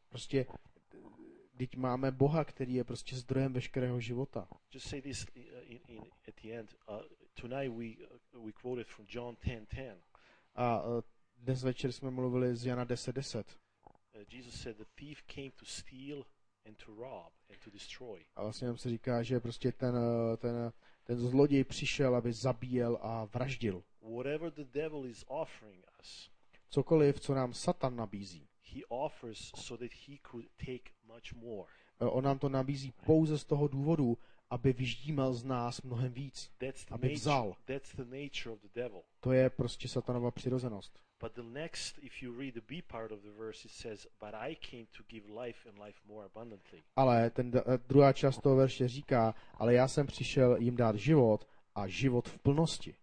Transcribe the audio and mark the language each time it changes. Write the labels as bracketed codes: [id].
[cs] Prostě teď máme Boha, který je prostě zdrojem veškerého života. [en] Just say this in at the end. Tonight we quoted from John 10:10. [cs] A dnes večer jsme mluvili z Jana 10:10. [en] Jesus said the thief came to steal and to rob and to destroy. [cs] A vlastně nám se říká, že prostě ten zloděj přišel, aby zabíjel a vraždil. [en] Whatever the devil is offering us. [cs] Cokoliv, co nám Satan nabízí. [en] He offers so that he could take much more. [cs] On nám to nabízí pouze z toho důvodu, aby vyždímal z nás mnohem víc, aby vzal. [en] That's the nature of the devil. [cs] To je prostě Satanova přirozenost. [en] But the next, if you read the B part of the verse, it says, but I came to give life and life more abundantly. [cs] Ale ten druhá část toho verše říká, ale já jsem přišel jim dát život a život v plnosti.